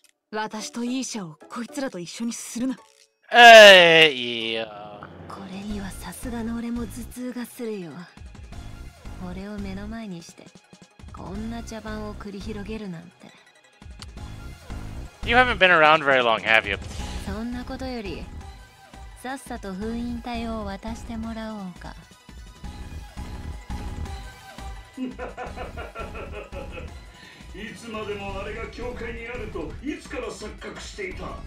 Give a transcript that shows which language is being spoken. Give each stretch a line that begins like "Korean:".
Japanese: 私と E 社をこいつらと一緒にするな。いいよ。これにはさすがの俺も頭痛がするよ。俺を目の前にして。こんな茶番を繰り広げるなんて。
English: You haven't been around very long, have you?
Japanese: そんなことより、さっさと封印帯を渡してもらおうか。いつまでもあれが教会にあるといつから錯覚していた。